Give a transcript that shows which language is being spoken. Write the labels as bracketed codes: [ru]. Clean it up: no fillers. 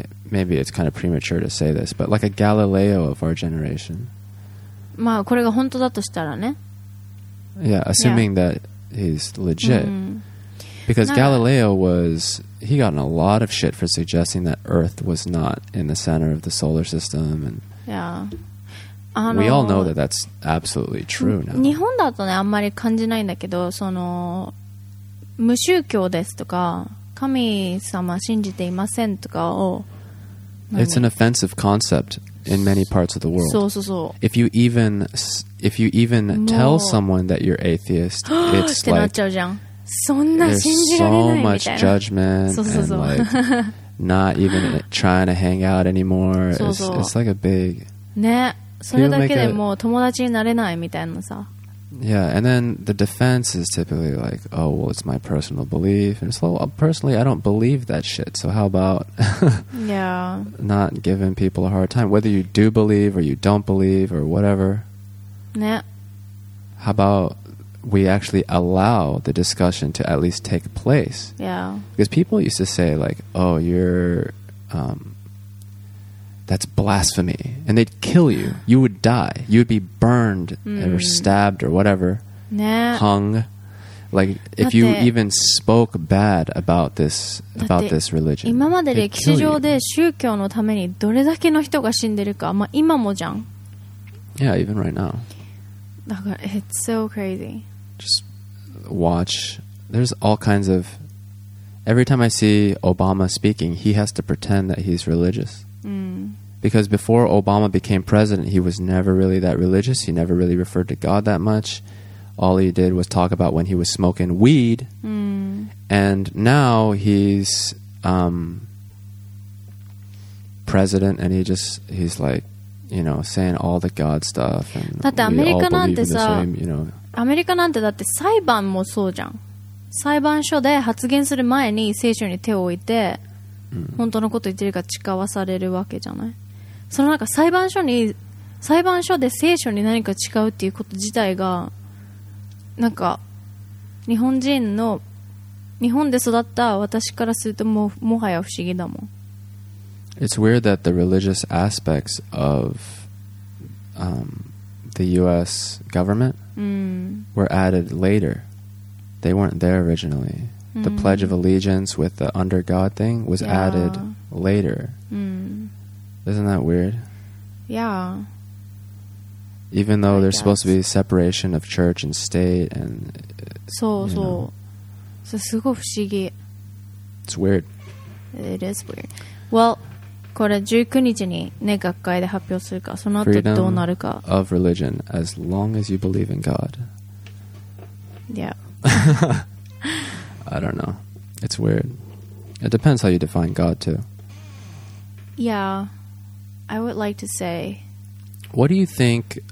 [en] maybe it's kind of premature to say this, but like a Galileo of our generation. [ja] まあ、これが本当だとしたらね。 [en] Yeah, assuming that he's legit. Because Galileo was... He got in a lot of shit for suggesting that Earth was not in the center of the solar system. And yeah. We all know that that's absolutely true now. [ja] 日本だとね、あんまり感じないんだけど、その、無宗教ですとか、神様信じていませんとかを。 [en] It's an offensive concept in many parts of the world. [ja] そうそうそう。 [en] If you even tell someone that you're atheist, it's [ja] ってなっちゃうじゃん。そんな信じられないみたいな。そうそうそう。 [en] And like, not even trying to hang out anymore. It's like a big... [ja] ね。それだけでもう友達になれないみたいなさ。 [en] Yeah, and then the defense is typically like, oh, well, it's my personal belief. And it's like, well, personally, I don't believe that shit. So how about yeah, not giving people a hard time, whether you do believe or you don't believe or whatever. Yeah. How about we actually allow the discussion to at least take place? Yeah. Because people used to say like, oh, you're... that's blasphemy. And they'd kill you. You would die. You would be burned or stabbed or whatever. Nah. Hung. Like, if you even spoke bad about this religion. [ja] 今まで歴史上で宗教のためにどれだけの人が死んでるか、まあ、今もじゃん。 [en] Yeah, even right now. [ja] だから、 [en] it's so crazy. Just watch. There's all kinds of... Every time I see Obama speaking, he has to pretend that he's religious. Because before Obama became president, he was never really that religious. He never really referred to God that much. All he did was talk about when he was smoking weed. And now he's president, and he's like, you know, saying all the God stuff. And [ja] だってアメリカなんてさ、 [en] you know. [ja] アメリカなんてだって裁判もそうじゃん。裁判所で発言する前に聖書に手を置いて、本当のこと言ってるか誓わされるわけじゃない。そのなんか裁判所で聖書に何か誓うっていうこと自体がなんか日本人の日本で育った私からするともうもはや不思議だもん。 [en] It's weird that the religious aspects of the U.S. government were added later. They weren't there originally. The Pledge of Allegiance with the under God thing was added later. Isn't that weird? Yeah. Even though there's supposed to be separation of church and state and... [ja] そうそう。それすごい不思議。 [en] It's weird. It is weird. [ja] Well, これ19日にね、学会で発表するか、その後どうなるか。 [en] Freedom of religion, as long as you believe in God. Yeah. I don't know. It's weird. It depends how you define God, too. Yeah. I would like to say... What do you think...